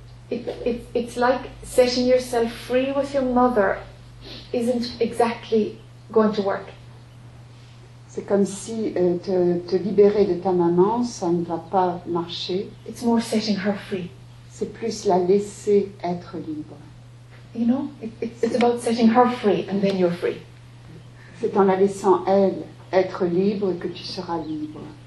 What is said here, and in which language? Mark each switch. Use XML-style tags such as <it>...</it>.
<en>It's like setting yourself free with your mother. Isn't exactly going to work.</en> <fr>C'est comme si te libérer de ta maman, ça ne va pas marcher.</fr> <en>It's more setting her free.</en> <fr>C'est plus la laisser être libre.</fr> <en>You know, it's about setting her free and then you're free.</en> <fr>C'est en la laissant elle être libre que tu seras libre.</fr>